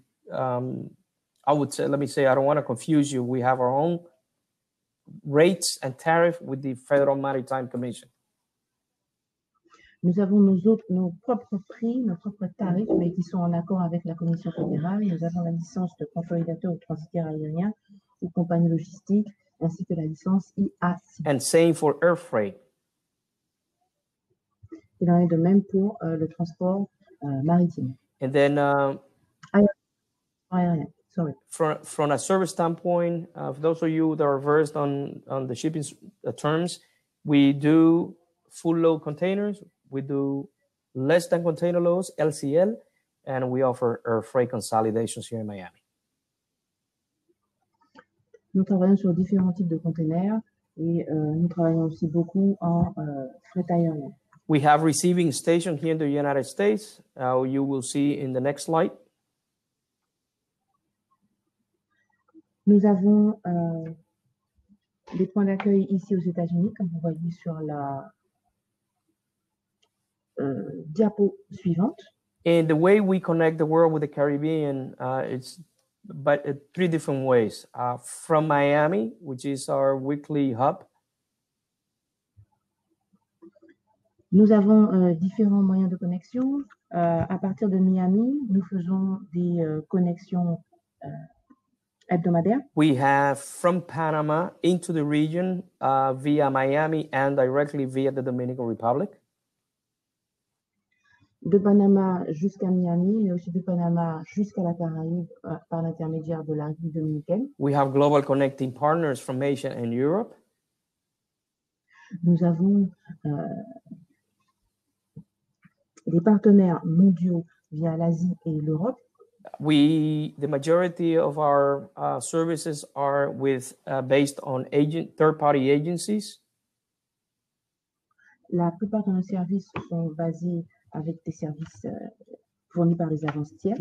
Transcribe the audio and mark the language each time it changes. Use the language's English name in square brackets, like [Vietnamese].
[English] I would say, let me say, I don't want to confuse you. We have our own rates and tariff with the Federal Maritime Commission. [French] Nous avons nos propres prix, nos propres tarifs, mais qui sont en accord avec la Commission fédérale. Nous avons la licence de consolidateur au transit aérien ou compagnie logistique, ainsi que la licence IAC. [English] And same for air freight. [French] Il en est de même pour le transport maritime. [English] And then, [French] aérien, sorry. [English] From a service standpoint, for those of you that are versed on the shipping terms, we do full load containers. We do less than container loads, LCL, and we offer air freight consolidations here in Miami. [French] Nous travaillons sur différents types de containers et nous travaillons aussi beaucoup en fret aérien. [English] We have receiving station here in the United States. You will see in the next slide. [French] Nous avons des points d'accueil ici aux États-Unis, comme vous voyez sur la diapo suivante. [English] And the way we connect the world with the Caribbean, it's but three different ways. From Miami, which is our weekly hub. [French] Nous avons différents moyens de connexion. À partir de Miami, nous faisons des connexions hebdomadaires. [English] We have from Panama into the region via Miami and directly via the Dominican Republic. [French] De Panama jusqu'à Miami, mais aussi de Panama jusqu'à la Caraïbe par l'intermédiaire de la République dominicaine. [English] We have global connecting partners from Asia and Europe. [French] Nous avons des partenaires mondiaux via l'Asie et l'Europe. [English] We, the majority of our services are with based on agent, third-party agencies. [French] La plupart de nos services sont basés avec des services fournis par les agences tierces.